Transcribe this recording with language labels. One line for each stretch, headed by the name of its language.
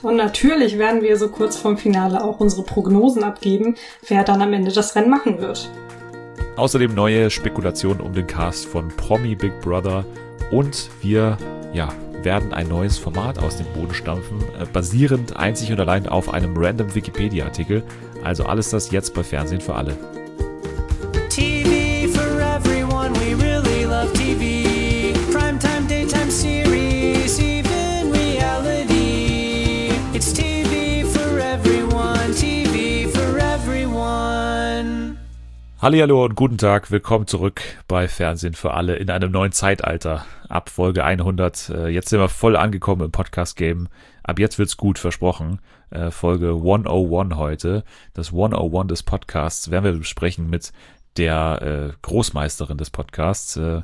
German: Und natürlich werden wir so kurz vorm Finale auch unsere Prognosen abgeben, wer dann am Ende das Rennen machen wird. Außerdem neue Spekulationen um den Cast von Promi Big Brother und wir, ja, werden ein neues Format aus dem Boden stampfen, basierend einzig und allein auf einem random Wikipedia-Artikel. Also alles das jetzt bei Fernsehen für alle.
English: TV for everyone, we really love TV. Primetime, daytime series, even reality. It's TV for everyone, TV for everyone.
German: Hallihallo und guten Tag, willkommen zurück bei Fernsehen für alle in einem neuen Zeitalter. Ab Folge 100, jetzt sind wir voll angekommen im Podcast-Game. Ab jetzt wird's gut, versprochen. Folge 101 heute, das 101 des Podcasts, werden wir besprechen mit der Großmeisterin des Podcasts.